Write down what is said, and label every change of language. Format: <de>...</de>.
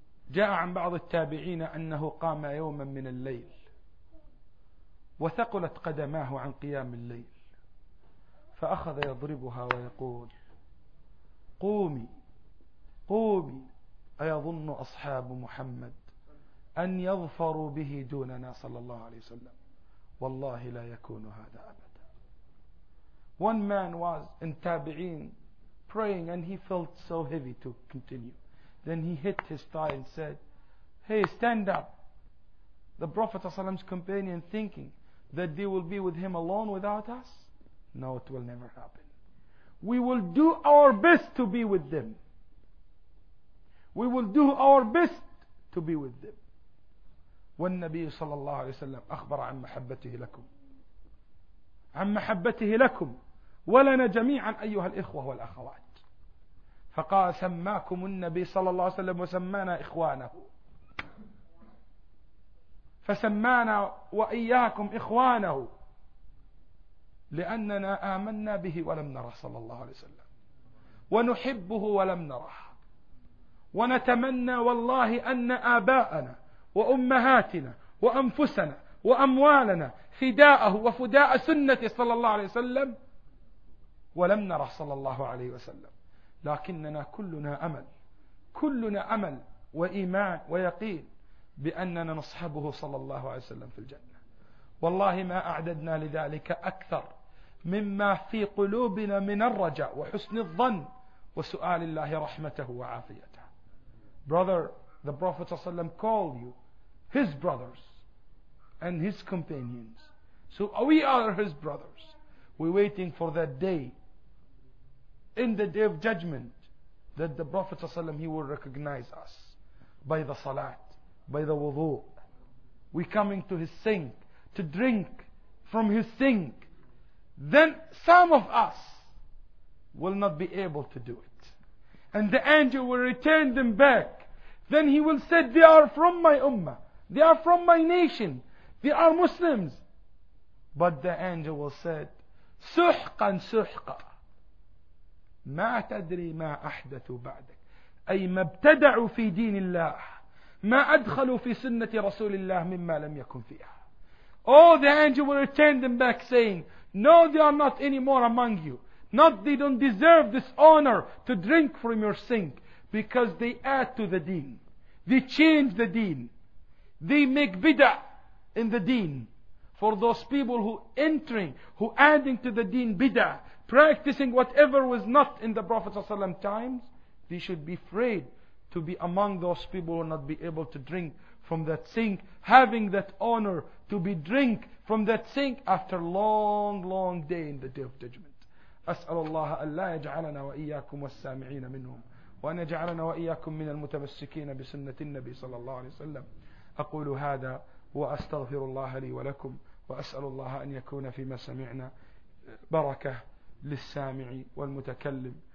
<ar>جاء عن بعض التابعين أنه قام يوما من الليل وثقلت قدماه عن قيام الليل فأخذ يضربها ويقول قومي قومي أيظن أصحاب محمد أن يظفروا به دوننا صلى الله عليه وسلم والله لا يكون هذا أبدا.</ar> <en>One man was in تابعين praying and he felt so heavy to continue. Then he hit his thigh and said, hey, stand up. The Prophet ﷺ's companion thinking that they will be with him alone without us? No, it will never happen. We will do our best to be with them. We will do our best to be with them.</en> <ar>وَالنَّبِيُّ صَلَى اللَّهُ عَلَيْهِ وَسَلَّمُ أَخْبَرَ عَنْ مَحَبَّتِهِ لَكُمْ عَنْ مَحَبَّتِهِ لَكُمْ وَلَنَا جَمِيعًا أَيُّهَا الْإِخْوَةُ وَالْأَخَوَاتِ فقال سماكم النبي صلى الله عليه وسلم وسمانا إخوانه فسمانا وإياكم إخوانه لأننا آمنا به ولم نرى صلى الله عليه وسلم ونحبه ولم نراه ونتمنى والله أن آباءنا وأمهاتنا وأنفسنا وأموالنا فداءه وفداء سنة صلى الله عليه وسلم ولم نرى صلى الله عليه وسلم لكننا كلنا أمل كلنا أمل وإيمان ويقين بأننا نصحبه صلى الله عليه وسلم في الجنة والله ما أعددنا لذلك أكثر مما في قلوبنا من الرجاء وحسن الظن وسؤال الله رحمته وعافيته.</ar> <en>Brother, the Prophet</en> <ar>صلى الله عليه وسلم</ar> <en>called you his brothers and his companions, so we are his brothers. We're waiting for that day in the day of judgment that the Prophet ﷺ, he will recognize us by the salat, by the wudu. We coming to his sink to drink from his sink. Then some of us will not be able to do it. And the angel will return them back. Then he will say, they are from my ummah. They are from my nation. They are Muslims. But the angel will say,</en> <ar>suhqan suhqa. ما تدري ما أحدث بعدك أي ما ابتدعوا في دين الله ما أدخلوا في سنة رسول الله مما لم يكن فيها.</ar> <en>Oh, the angel will return them back saying, no, they are not anymore among you. Not they don't deserve this honor to drink from your sink, because they add to the deen. They change the deen. They make bid'ah in the deen. For those people who entering, who adding to the deen bid'ah, practicing whatever was not in the Prophet ﷺ times, they should be afraid to be among those people who will not be able to drink from that sink, having that honor to be drink from that sink after long, long day in the Day of Judgment.</en> <ar>أسأل الله أن لا يجعلنا وإياكم والسامعين منهم وأن يجعلنا وإياكم من المتمسكين بسنة النبي صلى الله عليه وسلم. أقول هذا وأستغفر الله لي ولكم وأسأل الله أن يكون فيما سمعنا بركة للسامع والمتكلم.</ar>